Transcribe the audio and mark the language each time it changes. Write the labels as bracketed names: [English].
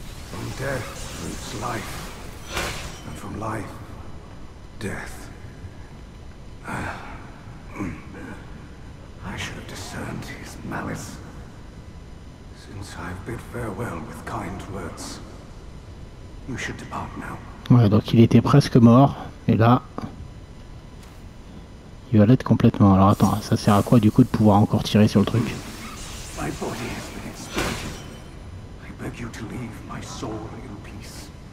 [English] From death roots life. And from life, death. I should have discerned his malice. Since I've bid farewell with kind words, you should depart now. [French] Ouais, donc il était presque mort, et là, il va l'être complètement. Alors attends, ça sert à quoi du coup de pouvoir encore tirer sur le truc? [English] My body has been exploited. I beg you to leave my soul in peace.